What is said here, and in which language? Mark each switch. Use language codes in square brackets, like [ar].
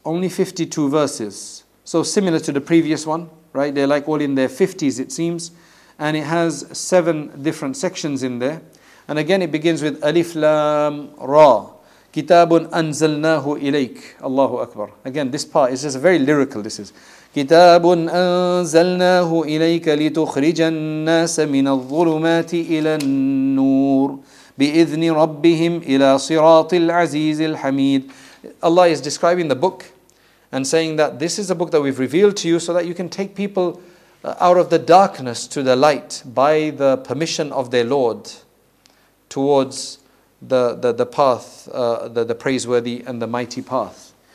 [en] Only 52 verses. So similar to the previous one, right? They're like all in their 50s, it seems. And it has 7 different sections in there. And again, it begins with Alif Lam Ra. [ar] Kitabun Anzalnahu Ilayk. [en] Allahu Akbar. Again, this part is just very lyrical, this is. [ar] كتاب أنزلناه إليك لتخرج الناس من الظلمات إلى النور بإذن ربهم إلى صراط العزيز الحميد. [en] Allah is describing the book and saying that this is a book that we've revealed to you so that you can take people out of the darkness to the light by the permission of their Lord towards the path, the praiseworthy and the mighty path.